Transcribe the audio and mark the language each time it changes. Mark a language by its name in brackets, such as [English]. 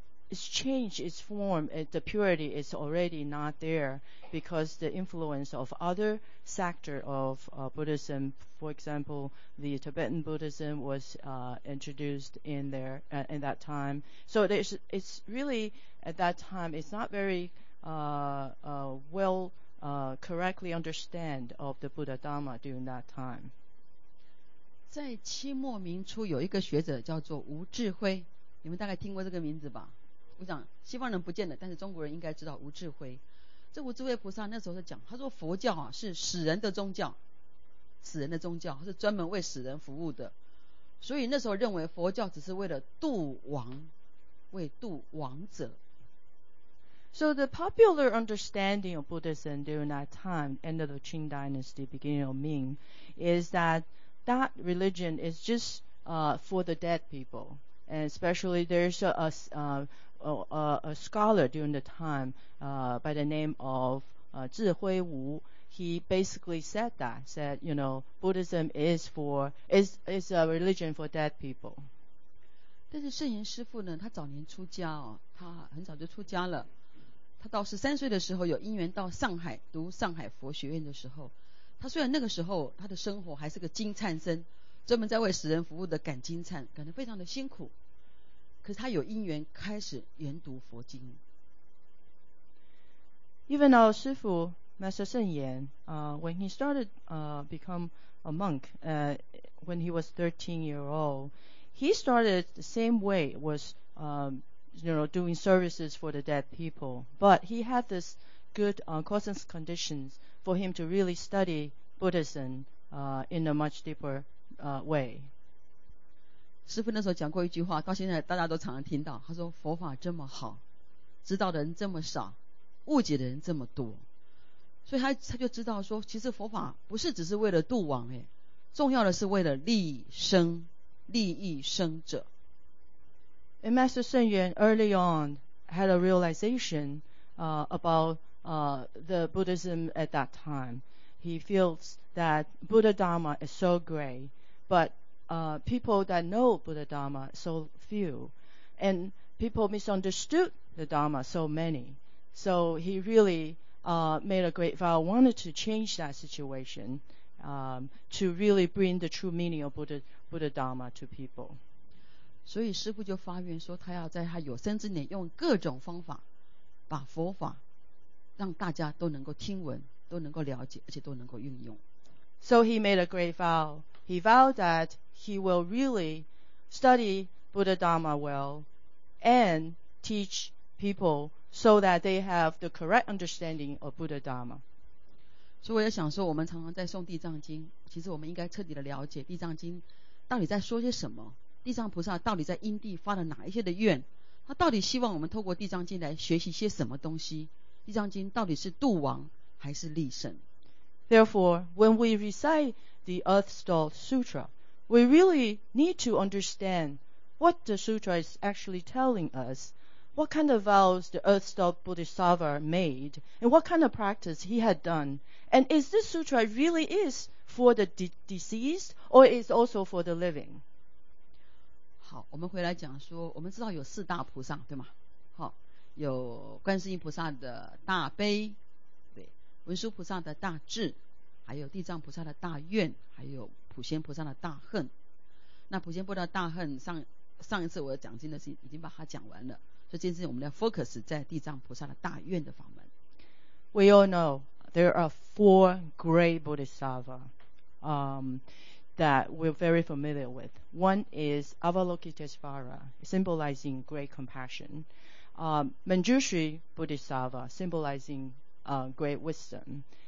[English] it's changed its form, the purity is already not there because the influence of other sector of Buddhism, for example, the Tibetan Buddhism was introduced in there in that time. So it's really, at that time, it's not very correctly understand of the Buddha Dhamma during that time. [Chinese] 在清末明初有一个学者叫做吴智辉，你们大概听过这个名字吧？我想西方人不见得，但是中国人应该知道吴智辉。这吴智辉菩萨那时候是讲，他说佛教啊是死人的宗教，死人的宗教是专门为死人服务的，所以那时候认为佛教只是为了度亡，为度亡者。 [English] So the popular understanding of Buddhism during that time, end of the Qing Dynasty, beginning of Ming, is that that religion is just for the dead people. And especially there's a scholar during the time by the name of Zhihui Wu. He basically said, you know, Buddhism is a religion for dead people. [Chinese] 但是圣严师父呢，他早年出家哦，他很早就出家了。他到13岁的时候有因缘到上海读上海佛学院的时候，他虽然那个时候他的生活还是个金灿僧，专门在为死人服务的赶金灿，感到非常的辛苦，可是他有因缘开始研读佛经。 [English] Even our 师父 Master 圣严 when he started become a monk when he was 13 year old, he started the same way was you know, doing services for the dead people. But he had this good causes conditions for him to really study Buddhism in a much deeper way. [Chinese] 师父那时候讲过一句话，到现在大家都常常听到，他说佛法这么好，知道的人这么少，误解的人这么多，所以他就知道说，其实佛法不是只是为了度亡，重要的是为了利益生者。 [English] And Master Sun Yuan early on had a realization about the Buddhism at that time. He feels that Buddha Dharma is so great, but people that know Buddha Dharma so few, and people misunderstood the Dharma so many. So he really made a great vow, wanted to change that situation to really bring the true meaning of Buddha Dharma to people. [Chinese] 所以师父就发愿说，他要在他有生之年用各种方法把佛法让大家都能够听闻，都能够了解，而且都能够运用。 [English] So he made a great vow. He vowed that he will really study Buddha Dharma well and teach people so that they have the correct understanding of Buddha Dharma. [Chinese] 所以我也想说，我们常常在诵地藏经，其实我们应该彻底的了解地藏经到底在说些什么，地藏菩萨到底在因地发了哪一些的愿，他到底希望我们透过地藏经来学习些什么东西，地藏经到底是度亡还是利生。 [English] Therefore, when we recite the Earth Stall Sutra, we really need to understand what the sutra is actually telling us, what kind of vows the Earth Stall Bodhisattva made, and what kind of practice he had done, and is this sutra really is for the deceased or is also for the living? [Chinese] 好，我们回来讲说，我们知道有四大菩萨，对吗？好，有观世音菩萨的大悲，对，文殊菩萨的大智，还有地藏菩萨的大愿，还有普贤菩萨的大恨。那普贤菩萨的大恨，上一次我讲经的事已经把它讲完了，所以今天我们来 focus 在地藏菩萨的大愿的法门。 [English] We all know there are four great bodhisattva. That we're very familiar with. One is Avalokitesvara, symbolizing great compassion. Manjushri Bodhisattva, symbolizing great wisdom.